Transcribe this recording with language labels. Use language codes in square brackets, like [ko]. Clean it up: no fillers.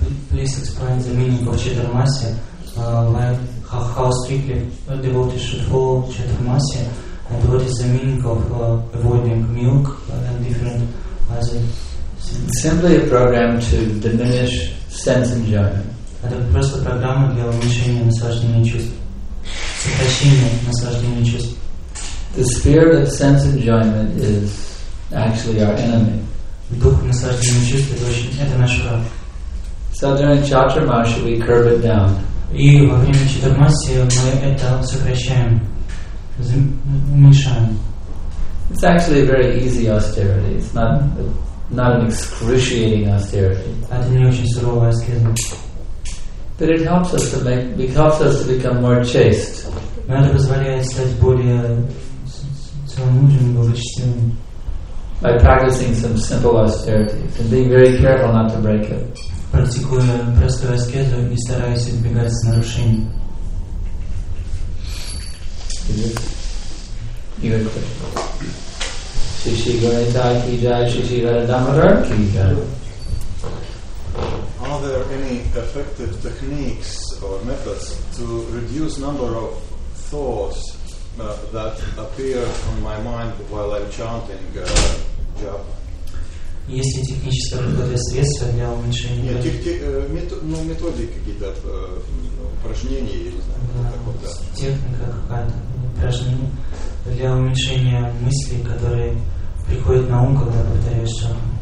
[en] Please explain the meaning of Chaturmasi. How strictly devotees should follow Chaturmasi, and what is the meaning of avoiding milk and different other things? Simply a program to diminish sense enjoyment. [ru] Это просто программа для уменьшения наслаждения чувств, сокращения наслаждения чувств. [en] The spirit of sense enjoyment is actually our enemy. [ru] Дух наслаждения чувств это наш враг. [en] So during Chaturmasi we curb it down. [ru] И во время Чатурмаси мы это сокращаем, уменьшаем. [en] It's actually a very easy austerity. It's not an excruciating austerity. [ru] Это не очень суровая аскеза. [en] But it helps us to make, it helps us to become more chaste. [ru] Но это позволяет стать более целомудренным, благочестивым. [en] By practicing some simple austerities and being very careful not to break it. [ru] Практикуя простую аскезу и стараясь избегать нарушений. Шиши Гарита Киджай, Шиши Радамадар Киджай. [en] Are there any effective techniques or methods to reduce number of thoughts that appear on my mind while I'm chanting japa? [ru] Есть ли технические подходы, средства для уменьшения? Нет, методики какие-то, упражнения, я не знаю. Да, техника какая-то, упражнения для уменьшения мыслей, которые приходят на ум, когда повторяешь шаг.